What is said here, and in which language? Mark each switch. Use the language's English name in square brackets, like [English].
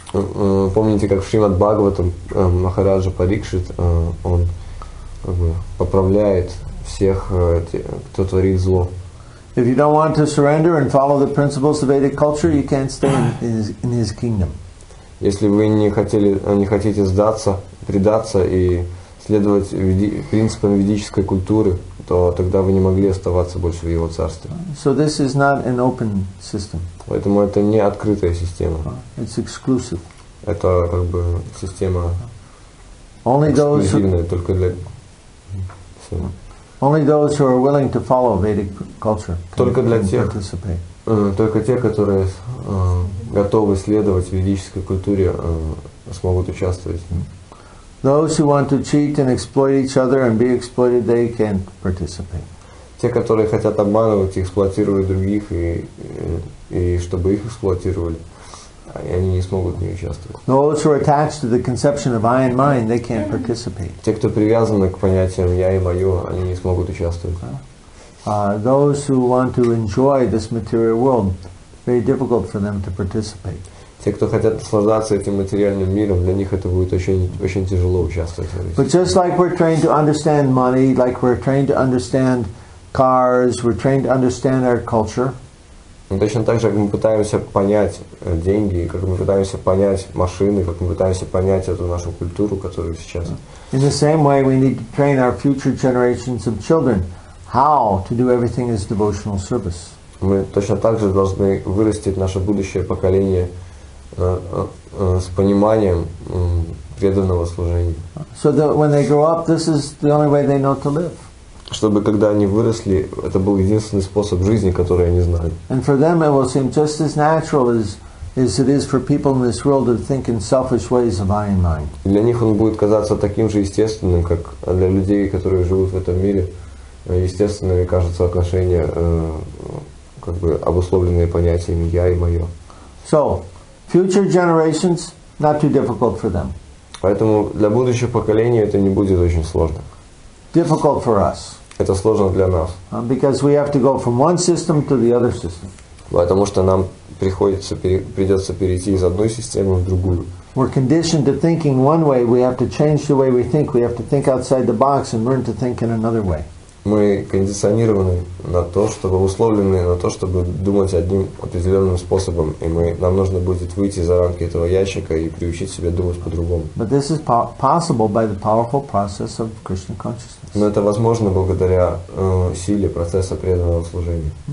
[Russian] Помните, как в Шримад Бхагаватам Махараджа Парикшит, он как бы поправляет всех, кто творит зло. [English] If you don't want to surrender and follow the principles of Vedic culture, you can't stay in his kingdom. [Russian] Если вы не хотите сдаться, предаться и следовать принципам ведической культуры, то тогда вы не могли оставаться больше в его царстве. [English] So this is not an open system. [Russian] Поэтому это не открытая система. [English] It's exclusive. [Russian] Это как бы система [English] only [Russian] эксклюзивная [English] those, [Russian] только для [English] only those who are willing to follow Vedic culture. [Russian] Только для тех, только те, которые готовы следовать ведической культуре, смогут участвовать. [English] Those who want to cheat and exploit each other and be exploited, they can't participate. [Russian] Те, которые хотят обманывать и эксплуатировать других и чтобы их эксплуатировали, они не смогут не участвовать. [English] Those who are attached to the conception of I and mine, they can't participate. [Russian] Те, кто привязаны к понятиям я и мое, они не смогут участвовать. [English] Those who want to enjoy this material world, very difficult for them to participate. [Russian] те, кто хотят наслаждаться этим материальным миром, для них это будет очень, очень тяжело участвовать в этом. [English] But just like we're trained to understand money, like we're trained to understand cars, we're trained to understand our culture. [Russian] Но точно так же, как мы пытаемся понять деньги, как мы пытаемся понять машины, как мы пытаемся понять эту нашу культуру, которую сейчас. [English] In the same way, we need to train our future generations of children how to do everything as devotional service. [Russian] Мы точно так же должны вырастить наше будущее поколение с пониманием преданного служения. [English] So that when they grow up, this is the only way they know to live. [Russian] Чтобы когда они выросли, это был единственный способ жизни, который они знали. [English] And for them it will seem just as natural as it is for people in this world to think in selfish ways of I and mine. [Russian] Для них он будет казаться таким же естественным, как для людей, которые живут в этом мире, естественными кажутся отношения, как бы обусловленные понятиями я и мое. [English] So, future generations not too difficult for them. [Russian] Поэтому для будущих поколений это не будет очень сложно. [English] Difficult for us. [Russian] Это сложно для нас. [English] Because we have to go from one system to the other system. [Russian] Потому что нам придется перейти из одной системы в другую. [English] We're conditioned to thinking one way. We have to change the way we think. We have to think outside the box and learn to think in another way. [Russian] Мы кондиционированы на то, чтобы условлены на то, чтобы думать одним определенным способом, и нам нужно будет выйти за рамки этого ящика и приучить себя думать по-другому. [English] But this is possible by the powerful process of Krishna consciousness. [Russian] Но это возможно благодаря силе процесса преданного служения.